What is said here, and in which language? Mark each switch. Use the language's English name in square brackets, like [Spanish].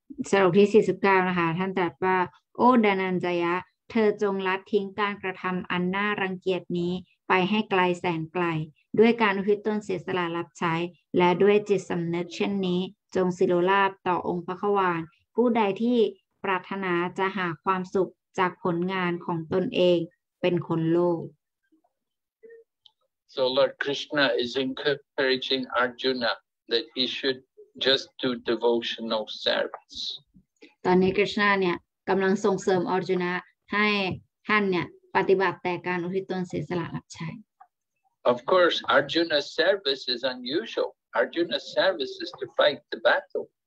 [Thai] สรุปที่49นะคะท่านตรัสว่าโอ้ดานัญจยะเธอจงละทิ้งการกระทำอันน่ารังเกียจนี้ไปให้ไกลแสนไกลด้วยการอุทิศตนเสียสละรับใช้และด้วยจิตสำนึกเช่นนี้จงสิโรราบต่อองค์พระควานผู้ใดที่ปรารถนาจะหาความสุขจากผลงานของตนเองเป็นคนโลภ [English] So Lord Krishna is encouraging ArjunaThat he should just do devotional service. [Thai] ตอนนี้คริชนาเนี่ยกำลังส่งเสริมอร์จุนะให้ท่านเนี่ยปฏิบัติแต่การอุทิศตนเสียสละรับใช้ [English] Of course, Arjuna's service is unusual. Arjuna's service is to fight the battle.